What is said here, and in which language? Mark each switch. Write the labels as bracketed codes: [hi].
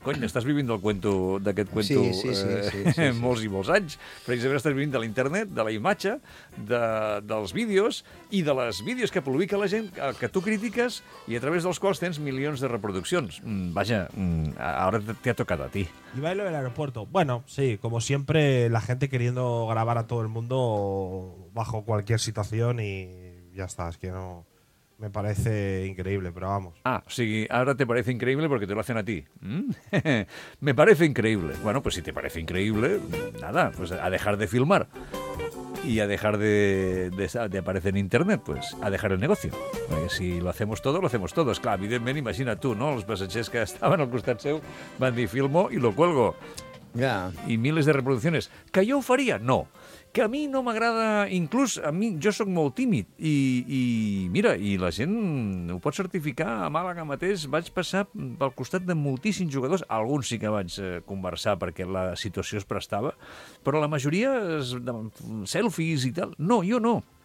[ca] Cony, estàs vivint d'aquest cuento sí. molts i molts anys. Precisament estàs vivint de l'internet, de la imatge, dels vídeos i de les vídeos que publica la gent que tu critiques i a través dels quals tens milions de reproduccions. Ara t'ha tocat a ti. [es] I va a ir al aeropuerto. Bueno, sí, como siempre, la gente queriendo grabar a todo el mundo bajo cualquier situación y ya está. Es que no... Me parece increíble, pero vamos. Ah, [ca] o sigui, [es] ahora te parece increíble porque te lo hacen a ti. Me parece increíble. Bueno, pues si te parece increíble, nada, pues a dejar de filmar. Y a dejar de aparecer en internet, pues a dejar el negocio. Perquè si lo hacemos todo, lo hacemos todo. [ca] Esclar, evidentment, imagina tu, no? Els passatgers que estaven al costat seu van dir [es] filmo i lo cuelgo. [ca] i milers de reproduccions. Que jo ho faria? No. Que a mi no m'agrada, inclús, a mi, jo sóc molt tímid, i mira, i la gent ho pot certificar, a Màlaga mateix vaig passar pel costat de moltíssims jugadors, alguns sí que vaig conversar perquè la situació es prestava, però la majoria, selfies i tal, no, jo no.